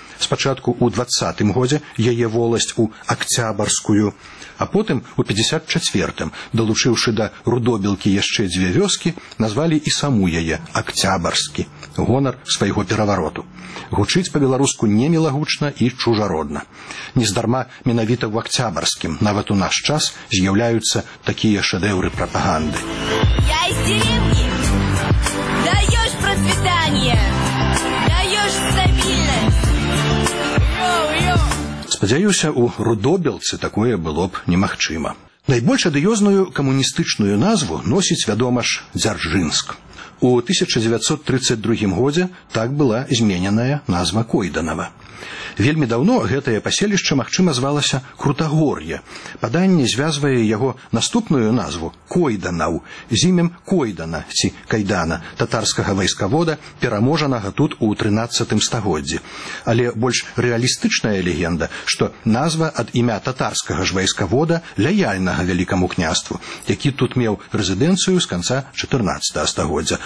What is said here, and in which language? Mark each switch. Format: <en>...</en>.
<be>Спачатку ў 20-м годзе яе воласць у Октябрскую, а потым у 54-м, далучыўшы да Рудобелкі яшчэ дзве вёскі, назвалі і саму яе Октябрскі, гонар свайго перавароту. Гучыць па-беларуску немілагучна і чужародна. Нездарма менавіта ў Октябрскім нават у наш час з'яўляюцца такія шэдэўры прапаганды.</be> <ru>Я з деревні! Даешь процветание, даешь стабильность.</ru> <be>Спадзяюся, у Рудобелцы такое было б немагчыма. Найбольш адыёзную камуністычную назву носіць, вядома ж, Дзяржынск. У 1932 годзе так была змененая назва Койданава. Вельмі даўно гэтае паселішча, магчыма, звалася Крутагор'е. Паданне звязвае яго наступную назву – Койданаў, з імем Койдана ці Кайдана, татарскага вайскавода, пераможанага тут у 13-м стагоддзі. Але больш рэалістычная легенда, што назва ад імя татарскага ж вайскавода, ляяльнага вялікаму княству, які тут меў рэзідэнцыю з канца 14-га стагоддзя.</be>